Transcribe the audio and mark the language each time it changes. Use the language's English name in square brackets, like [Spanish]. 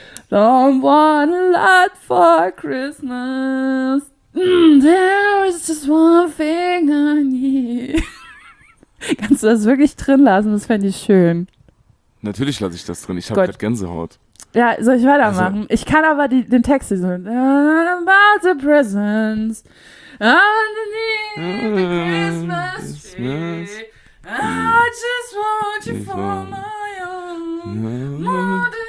[English] Don't want a lot for Christmas. There is just one thing I need. [German] Kannst du das wirklich drin lassen? Das fände ich schön. Natürlich lasse ich das drin. Ich habe gerade Gänsehaut. Ja, soll ich weitermachen? Also. Ich kann aber den Text so. [English] About the presents. Underneath the Christmas tree. I just want you for my own.